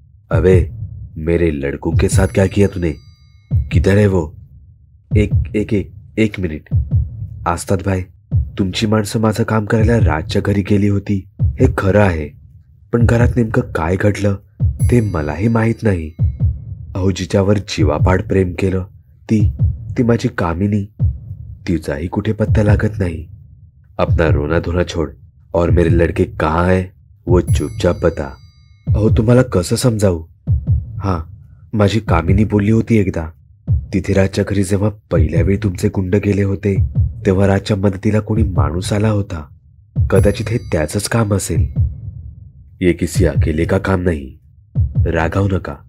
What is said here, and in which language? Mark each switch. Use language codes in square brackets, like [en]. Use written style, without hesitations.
[hi] Away, मेरे लड़कों के साथ क्या किया तूने? किधर है वो? एक मिनिट. [mr] आस्ताद भाई, तुमची माणसं माझं काम करायला राजच्या घरी गेली होती हे खरं आहे, पण घरात नेमकं काय घडलं ते मलाही माहीत नाही. अहो, जिच्यावर जीवापाड प्रेम केलं ती माझी कामिनी, तिचाही कुठे पत्ता लागत नाही. [hi] अपना रोना धोना छोड और मेरे लड़के कहाँ है वो चुपचाप बता. [mr] अहो, तुम्हाला कसं समजावू? हां, माझी कामिनी बोलली होती एकदा, तिथे राजच्या घरी जेव्हा पहिल्या वेळी तुमचे गुंड गेले होते तेव्हा राजच्या मदतीला कोणी माणूस आला होता. कदाचित हे त्याचंच काम असेल. [hi] ये किसी अकेले का काम नाही, [mr] रागाव नका.